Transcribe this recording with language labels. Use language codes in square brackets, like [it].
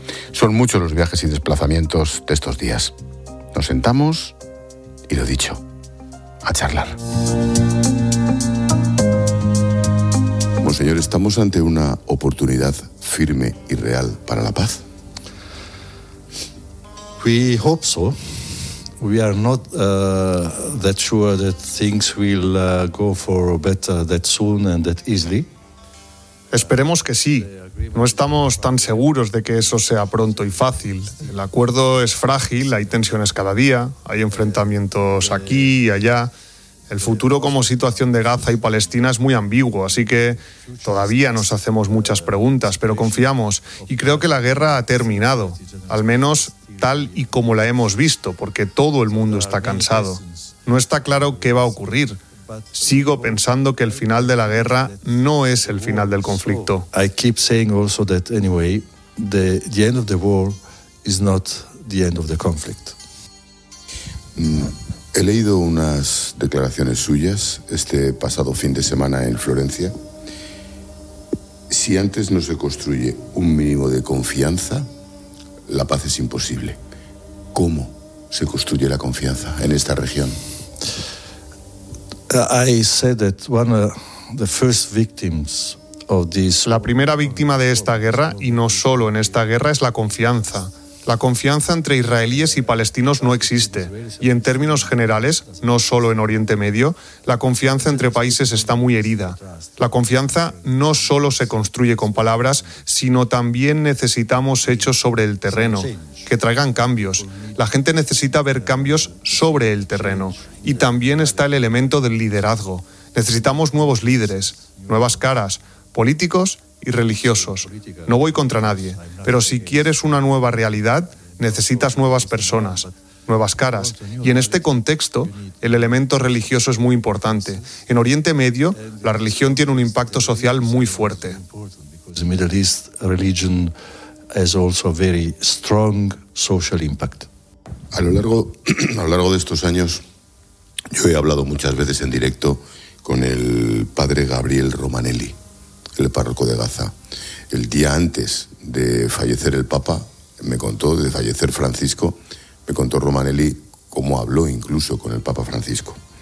[es] Son muchos los viajes y desplazamientos de estos días. Nos sentamos y lo dicho, a charlar. Señor, ¿estamos ante una oportunidad firme y real para la paz? [en] We hope so. We are not that sure that things will go for better that soon and that easily. [es] Esperemos que sí. No estamos tan seguros de que eso sea pronto y fácil. El acuerdo es frágil, hay tensiones cada día, hay enfrentamientos aquí y allá. El futuro como situación de Gaza y Palestina es muy ambiguo, así que todavía nos hacemos muchas preguntas, pero confiamos y creo que la guerra ha terminado, al menos tal y como la hemos visto, porque todo el mundo está cansado. No está claro qué va a ocurrir. Sigo pensando que el final de la guerra no es el final del conflicto. [en] I keep saying also that anyway, the end of the war is not the end of the conflict. [es] He leído unas declaraciones suyas este pasado fin de semana en Florencia. Si antes no se construye un mínimo de confianza, la paz es imposible. ¿Cómo se construye la confianza en esta región? [en] I said that one of the first victims of this... [es] La primera víctima de esta guerra, y no solo en esta guerra, es la confianza. La confianza entre israelíes y palestinos no existe. Y en términos generales, no solo en Oriente Medio, la confianza entre países está muy herida. La confianza no solo se construye con palabras, sino también necesitamos hechos sobre el terreno, que traigan cambios. La gente necesita ver cambios sobre el terreno. Y también está el elemento del liderazgo. Necesitamos nuevos líderes, nuevas caras, políticos y religiosos. No voy contra nadie, pero si quieres una nueva realidad, necesitas nuevas personas, nuevas caras. Y en este contexto, el elemento religioso es muy importante. En Oriente Medio, la religión tiene un impacto social muy fuerte. [en] The Middle East religion has also very strong social impact. [es] A lo largo de estos años, yo he hablado muchas veces en directo con el padre Gabriel Romanelli, el párroco de Gaza. El día antes de fallecer el Papa, me contó, de fallecer Francisco, me contó Romanelli cómo habló incluso con el Papa Francisco.